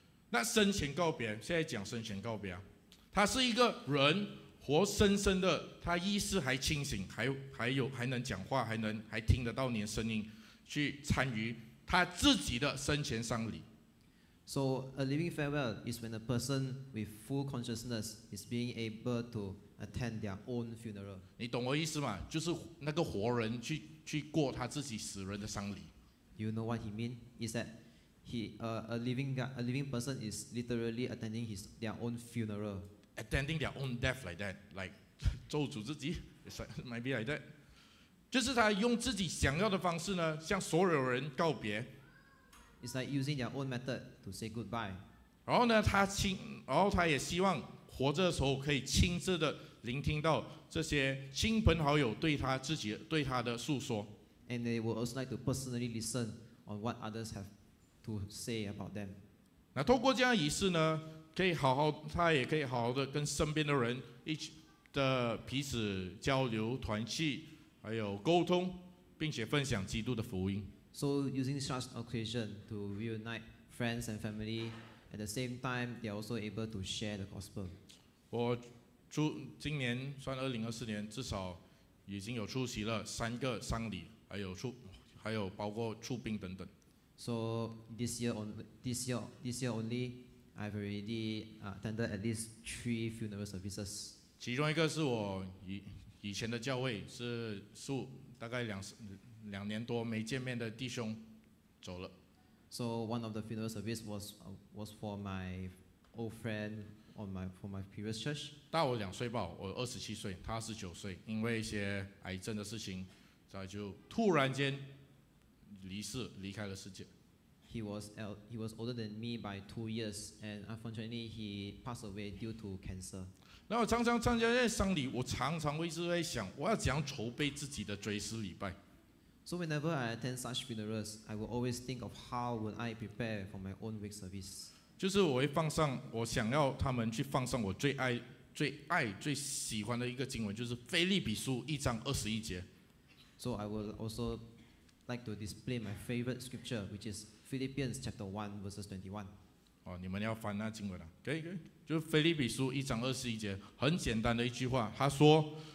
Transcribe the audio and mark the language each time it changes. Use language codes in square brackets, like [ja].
[zh] 那生前告别，现在讲生前告别，他是一个人活生生的，他意识还清醒，还能讲话，还听得到你的声音，去参与他自己的生前丧礼。 [en] So a living farewell is when a person with full consciousness is being able to attend their own funeral. [zh] 你懂我意思吗？就是那个活人去过他自己死人的丧礼。 [en] You know what he means? Is that a living person is literally attending their own funeral. Attending their own death like that, like [zh] 咒诅自己 [en] ，maybe like that. [zh] 就是他用自己想要的方式呢，向所有人告别。 [en] It's like using their own method to say goodbye. [zh] 然后呢，然后他也希望活着的时候可以亲自的聆听到这些亲朋好友对他的诉说。 [en] And they would also like to personally listen on what others have to say about them. [zh] 那透过这样的仪式呢，可以好好，他也可以好好的跟身边的人彼此交流、团契，还有沟通，并且分享基督的福音。 [en] So using such occasion to reunite friends and family, at the same time, they are also able to share the gospel. [zh] 我今年算2024年，至少已经有出席了三个丧礼，还有包括出殡等等。 [en] So this year only, I've already attended at least three funeral services. [zh] 其中一个是我以前的教会是大概两年多没见面的弟兄走了。 [en] So one of the funeral service was for my old friend for my previous church. [zh] 大我两岁吧，我27岁，他19岁，因为一些癌症的事情，他就突然间离开了世界。 [en] He was older than me by 2 years, and unfortunately he passed away due to cancer. [zh] 那我常常参加这些丧礼，我常常会一直在想，我要怎样筹备自己的追思礼拜。 [en] So whenever I attend such funerals, I will always think of how would I prepare for my own wake service. [zh] 就是我会放上我想要他们去放上我最喜欢的一个经文，就是腓立比书1:21. [en] So I will also like to display my favorite scripture, which is Philippians chapter 1 verses 21. [zh] 哦，你们要翻那经文了，可以可以。就腓立比书1:21，很简单的一句话，他说。